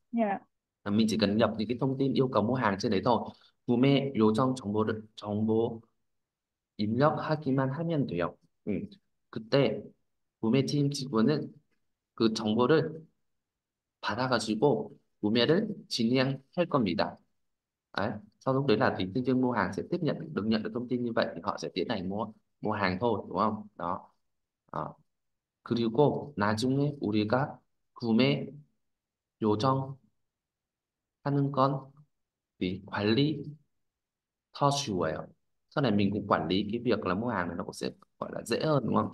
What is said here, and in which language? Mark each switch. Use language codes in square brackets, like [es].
[vi] À, mình chỉ cần nhập những cái thông tin yêu cầu mua hàng trên đấy thôi. [ko] 구매 요청 정보 입력하기만 하면 돼요. 그때 구매팀 직원은 그 정보를 받아가지고 구매를 진행할 겁니다. [vi] 아, sau lúc đấy là tính nhân viên mua hàng sẽ tiếp nhận được thông tin như vậy thì họ sẽ tiến hành mua mua hàng thôi đúng không? Đó. Đó. [ko] 그리고 나중에 우리가 구매 요청 하는 건이 관리 터슈예요. [vi] Sau này mình cũng quản lý cái việc là mua hàng này nó cũng sẽ gọi là dễ hơn đúng không?